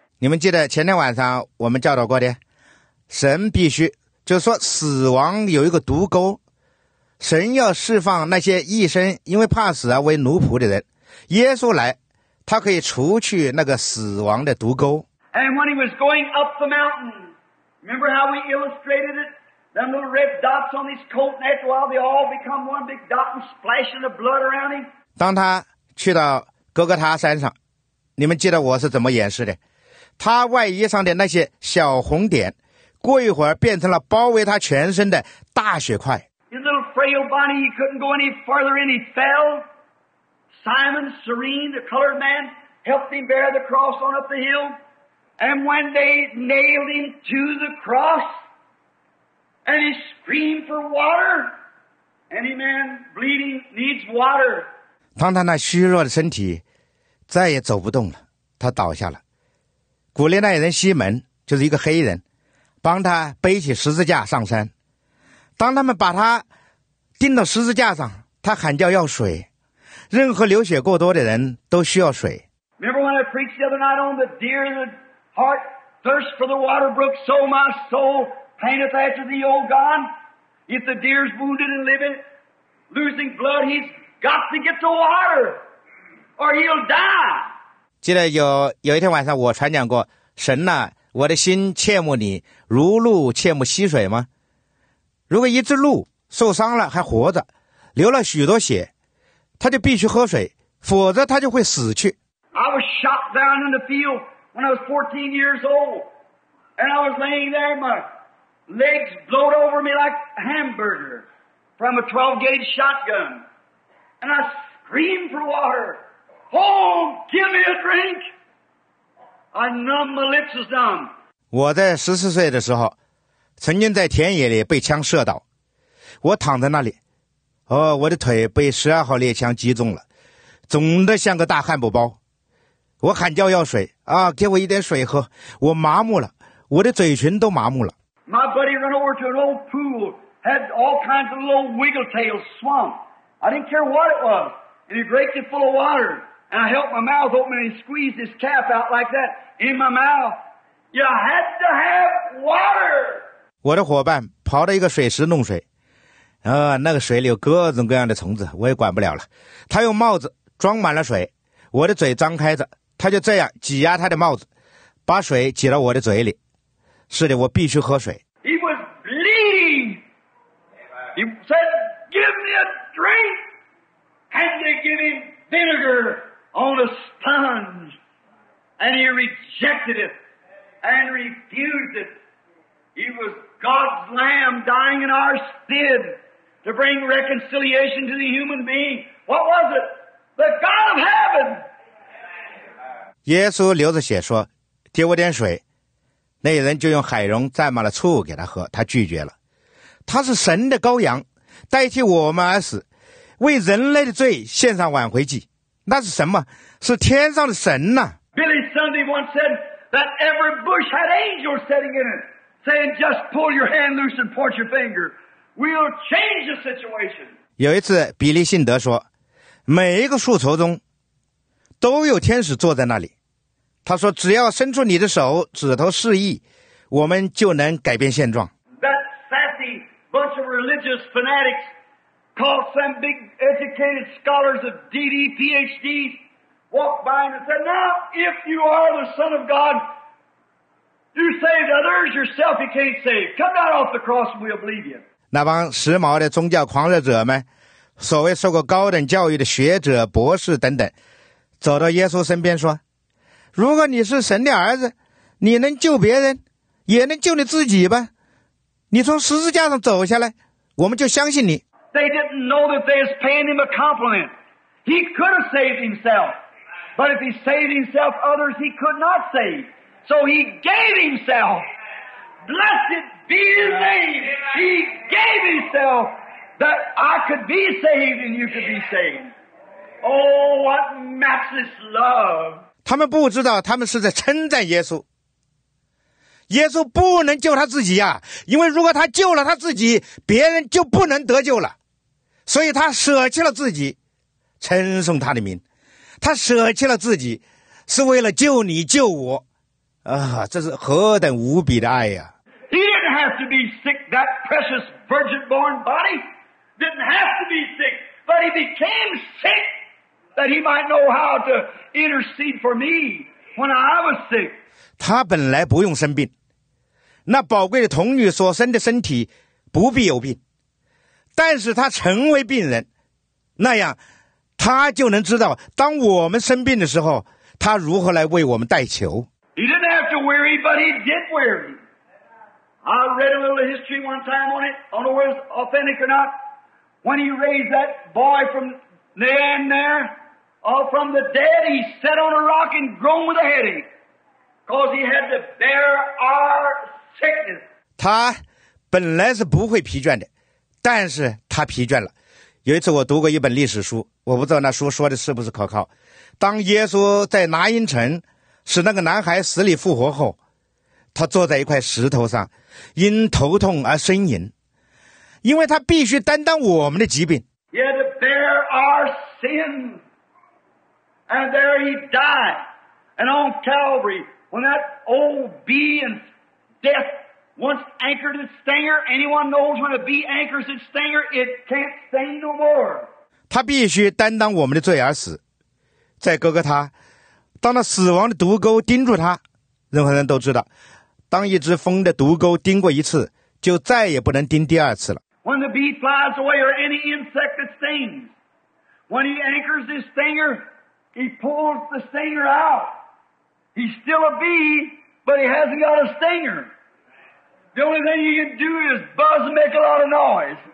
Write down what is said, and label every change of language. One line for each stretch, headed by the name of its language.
Chinese: 你们记得前天晚上我们教导过的，神必须，就是说死亡有一个毒钩，神要释放那些一生因为怕死而为奴仆的人，耶稣来，他可以除去那个死亡的毒钩。
English: And when he was going up the mountain, remember how we illustrated it? Them little red dots on his coat, and after a while they all become one big dot and splashing the blood around him.
Chinese: 当他去到哥哥他山上，你们记得我是怎么演示的？他外衣上的那些小红点，过一会儿变成了包围他全身的大血块。
English: His little frail body, he couldn't go any farther, and he fell. Simon, Serene, the colored man, helped him bear the cross on up the hill. And when they nailed him to the cross,And he screamed for water. Any man bleeding needs water.
Chinese: 当他那虚弱的身体再也走不动了，他倒下了。古列奈人西门就是一个黑人，帮他背起十字架上山。当他们把他钉到十字架上，他喊叫要水。任何流血过多的人都需要水。
English: Remember when I preached the other night on the deer and the heart thirst for the water brook, so my soul. Paineth after thee, O God, if the deer's wounded and living, losing blood, he's got to get to water, or he'll die.
Chinese: 记得有一天晚上我传讲过，神呐，我的心切慕你，如鹿切慕溪水吗？如果一只鹿受伤了还活着，流了许多血，他就必须喝水，否则他就会死去。
English: I was shot down in the field when I was 14 years old, and I was laying there, my legs blowed over me like a hamburger from a 12-gauge shotgun. And I screamed for water. Oh, give me a drink! I numb my lips as numb.
Chinese: 我在14岁的时候曾经在田野里被枪射倒。我躺在那里，哦，我的腿被12号猎枪击中了，肿得像个大汉堡包。我喊叫要水，啊，给我一点水喝。我麻木了，我的嘴唇都麻木了。
English: My buddy ran over to an old pool, had all kinds of little wiggle tails, swamp. I didn't care what it was. And he raked it full of water. And I helped my mouth open and he squeezed his calf out like that in my mouth. You had to have water!
Chinese: 我的伙伴跑到一个水池弄水。那个水里有各种各样的虫子，我也管不了了。他用帽子装满了水，我的嘴张开着，他就这样挤压他的帽子，把水挤到我的嘴里。是的，我必须喝水。
English: He was bleeding. He said, "Give me a drink." And they give him vinegar on a sponge, and he rejected it and refused it. He was God's Lamb dying in our stead to bring reconciliation to the human being. What was it? The God of heaven.
Chinese: 耶稣流着血说：“给我点水。” 那人就用海蓉蘸满了醋给他喝，他拒绝了。他是神的羔羊，代替我们而死，为人类的罪献上挽回祭。那是什么？是天上的神呐、
English: 啊、！Billy Sunday once said that every bush had angels sitting in it, saying, "Just pull your hand loose and point your finger. We'll change the situation."
Chinese: 有一次，比利信德说，每一个树丛中都有天使坐在那里。他说：“只要伸出你的手指头示意，我们就能改变现状。”
English: That sassy bunch of religious fanatics called some big educated scholars of DD, PhDs walked by and said, "Now, if you are the Son of God, you saved others, yourself you can't save. Come down off the cross and we'll believe you."
Chinese: 那帮时髦的宗教狂热者们，所谓受过高等教育的学者、博士等等，走到耶稣身边说，如果你是神的儿子，你能救别人也能救你自己吧，你从十字架上走下来，我们就相信你。
English: They didn't know that they was paying him a compliment. He could have saved himself, but if he saved himself, others he could not save. So he gave himself. Blessed be his name. He gave himself that I could be saved and you could be saved. Oh, what matchless love.
Chinese: 他们不知道他们是在称赞耶稣，耶稣不能救他自己呀、啊、因为如果他救了他自己，别人就不能得救了，所以他舍弃了自己称颂他的名，他舍弃了自己是为了救你救我啊！这是何等无比的爱呀、啊、
English: He didn't have to be sick. That precious virgin born body didn't have to be sick, but he became sickthat he might know how to intercede for me when I was sick.
Chinese: 他本来不用生病，那宝贵的童女所生的身体不必有病，但是他成为病人，那样他就能知道当我们生病的时候他如何来为我们代求。
English: He didn't have to weary, but he did weary. I read a little history one time on it, I don't know whether it's authentic or not, when he raised that boy from the end thereOh, from the dead, he sat on a rock and groaned with a headache, cause he had to bear our sickness.
Chinese: 他本来是不会疲倦的，但是他疲倦了。有一次我读过一本历史书，我不知道那书说的是不是可靠。当耶稣在拿因城使那个男孩死里复活后，他坐在一块石头上，因头痛而呻吟，因为他必须担当我们的疾病。
English: He had to bear our sin. And there he died. And on Calvary, when that old bee and death once anchored its stinger, anyone knows when a bee anchors its stinger, it can't sting no more.
Chinese: 他必须担当我们的罪而死。在哥哥他，当那死亡的毒钩盯住他，任何人都知道，当一只蜂的毒钩盯过一次，就再也不能盯第二次了。
English: When the bee flies away or any insect that stings, when he anchors his stinger,He pulls the stinger out. He's still a bee, but he hasn't got a stinger. The only thing he can do is buzz and make a lot of noise.